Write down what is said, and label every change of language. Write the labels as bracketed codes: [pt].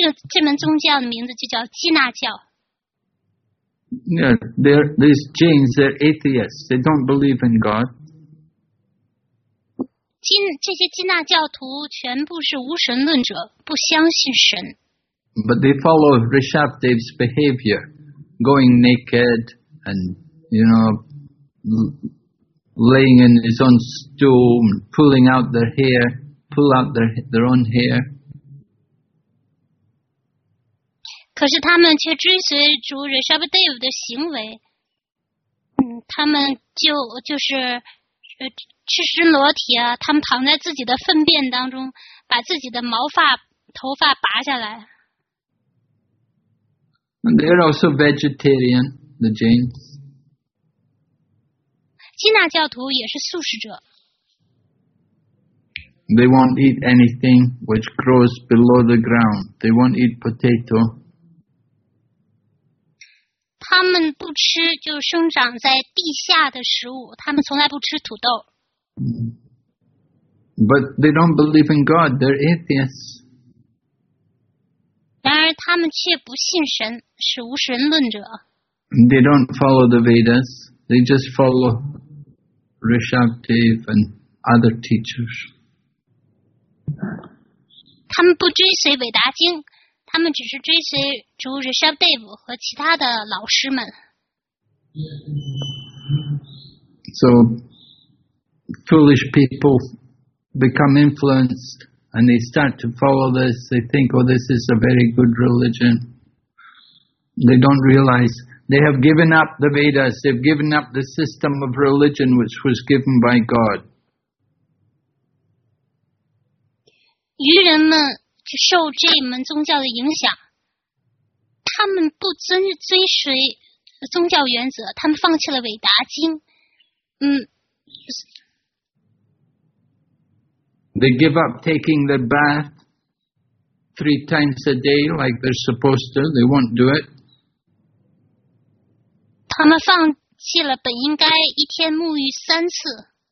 [zh] 这门宗教的名字就叫基纳教。 [en] Yeah, these Jains, they're atheists. They don't believe in God. [zh] 这些基纳教徒全部是无神论者，不相信神。 [en] But they follow Rishabhdev's behavior, going naked and, you know, laying in his own stool, pulling out their hair, pull out their own hair. [zh] 可是他们却追随主 Rishabhdev 的行为，他们就是赤身裸体啊，他们躺在自己的粪便当中，把自己的毛发头发拔下来。 [en] And they're also vegetarian, the Jains. [zh] 基纳教徒也是素食者。 [en] They won't eat anything which grows below the ground. They won't eat potato. [zh] 他们不吃就生长在地下的食物，他们从来不吃土豆。 [en] But they don't believe in God, they're atheists. [zh] 然而他们却不信神，是无神论者。 [en] They don't follow the Vedas, they They just follow Rishabdev and other teachers. [zh] 他们不追随韦达经，他们只是追随主 Rishabdev 和其他的老师们。 [en] So foolish people become influenced and they start to follow this. They think, oh, this is a very good religion. They don't realize they have given up the Vedas, they've given up the system of religion which was given by God. [zh] 愚人们就受这门宗教的影响，他们不追随宗教原则，他们放弃了韦达经。 [en] They give up taking their bath three times a day like they're supposed to. They won't do it. [zh] 他们放弃了本应该一天沐浴三次。